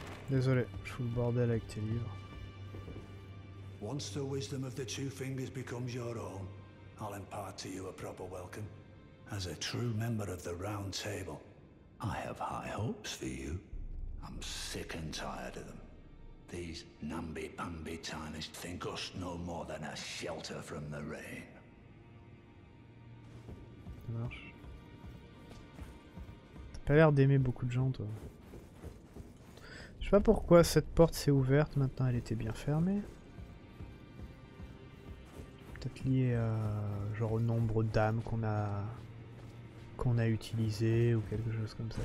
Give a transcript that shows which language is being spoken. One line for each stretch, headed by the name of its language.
French: Désolé, je fous le bordel avec tes livres.
English: Once the wisdom of the two fingers becomes your own, I'll impart to you a proper welcome. As a true member of the Round Table, I have high hopes for you. I'm sick and tired of them. These namby-pamby tarnished think us no more than a shelter from the rain.
French: Ça marche. T'as pas l'air d'aimer beaucoup de gens, toi. Je sais pas pourquoi cette porte s'est ouverte, maintenant elle était bien fermée. Peut-être liée à, genre au nombre d'âmes qu'on a utilisé ou quelque chose comme ça.